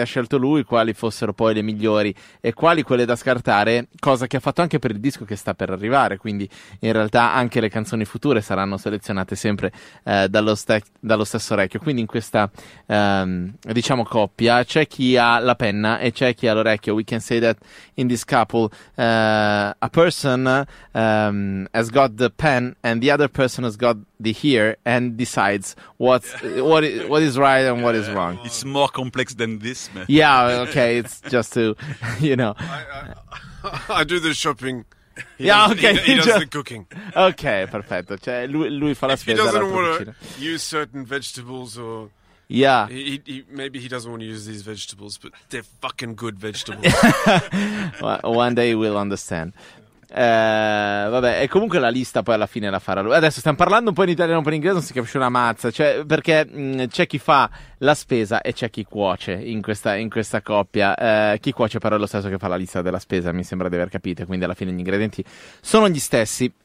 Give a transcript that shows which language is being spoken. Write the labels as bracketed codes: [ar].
[it] Ha scelto lui quali fossero poi le migliori e quali quelle da scartare, cosa che ha fatto anche per il disco che sta per arrivare, quindi in realtà anche le canzoni future saranno selezionate sempre dallo stesso orecchio. Quindi in questa diciamo coppia c'è chi ha la penna e c'è chi ha l'orecchio. [en] We can say that in this couple a person has got the pen and the other person has got the ear and decides what is right and what is wrong. It's more complex than this, man. Yeah, okay, it's just to you know, I do the shopping. He does the cooking. [it] Okay, perfetto. Cioè, lui fa la spesa. [en] He doesn't want to use certain vegetables or... Yeah. Maybe he doesn't want to use these vegetables, but they're fucking good vegetables. One day we'll understand. [it] Vabbè, e comunque la lista poi alla fine la farà lui. Adesso stiamo parlando un po' in italiano, un po' in inglese, non si capisce una mazza. Cioè, perché c'è chi fa la spesa e c'è chi cuoce in questa coppia. Chi cuoce però è lo stesso che fa la lista della spesa, mi sembra di aver capito. Quindi alla fine gli ingredienti sono gli stessi.